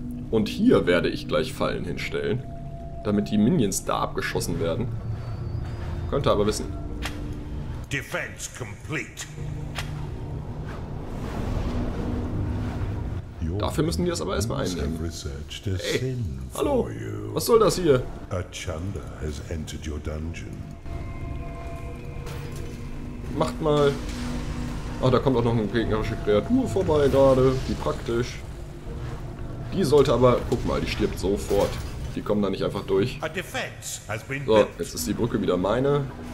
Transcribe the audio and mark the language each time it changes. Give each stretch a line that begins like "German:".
German: Und hier werde ich gleich Fallen hinstellen, damit die Minions da abgeschossen werden. Könnte aber wissen.
English: Defense complete.
German: Dafür müssen die das aber erstmal einnehmen. Hey, hallo, was soll das hier?
English: A Chanda has entered your dungeon.
German: Macht mal. Ach, da kommt auch noch eine gegnerische Kreatur vorbei gerade, wie praktisch. Die sollte aber, guck mal, die stirbt sofort. Die kommen da nicht einfach durch. So, jetzt ist die Brücke wieder meine.